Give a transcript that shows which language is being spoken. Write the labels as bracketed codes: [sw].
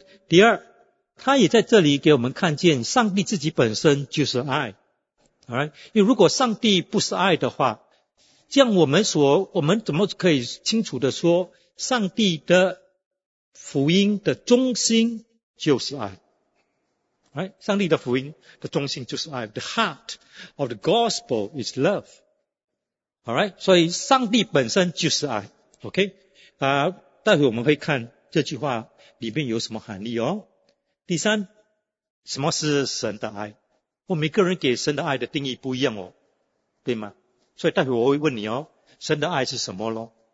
[zh] 第二，他也在这里给我们看见上帝自己本身就是爱。 Alright, 因为如果上帝不是爱的话，这样我们怎么可以清楚的说上帝的福音的中心就是爱。 [en] Right? [zh] 上帝的福音的中心就是爱。 [en] The heart of the gospel is love. [zh] Alright? 所以上帝本身就是爱。OK? 待会我们会看这句话里面有什么含义哦。第三，什么是神的爱？我每个人给神的爱的定义不一样哦。对吗？所以待会我会问你哦，神的爱是什么咯？